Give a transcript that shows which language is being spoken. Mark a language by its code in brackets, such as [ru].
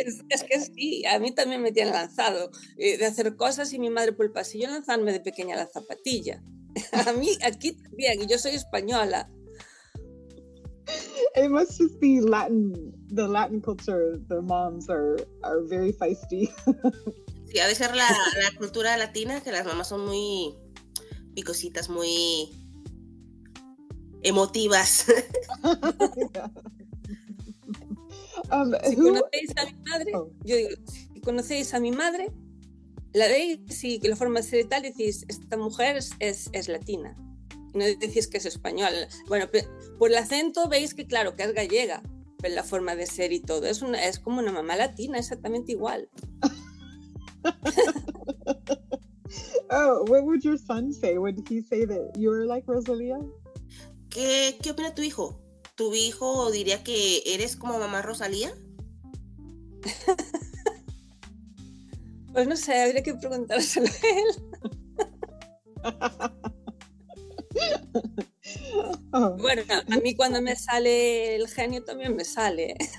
[es] Es que sí, a mí también me tiene lanzado de hacer cosas y mi madre por el pasillo lanzarme de pequeña la zapatilla. A mí aquí también, y yo soy española. [en] It must just be Latin, the Latin culture, the moms are very feisty. [es] Sí, a veces la cultura latina, que las mamás son muy picositas, muy emotivas. Si conocéis a mi madre, yo digo, si conocéis a mi madre, la veis y que la forma de ser y tal, decís, esta mujer es latina. No decís que es español. Bueno, por el acento veis que, claro, que es gallega, pero la forma de ser y todo. Es como una mamá latina, exactamente igual. [en] Oh, what would your son say? Would he say that you're like Rosalía? [es] ¿Qué opina tu hijo? ¿Tu hijo diría que eres como mamá Rosalía? Pues no sé, habría que preguntárselo a él. Oh. Bueno, a mí cuando me sale el genio también me sale.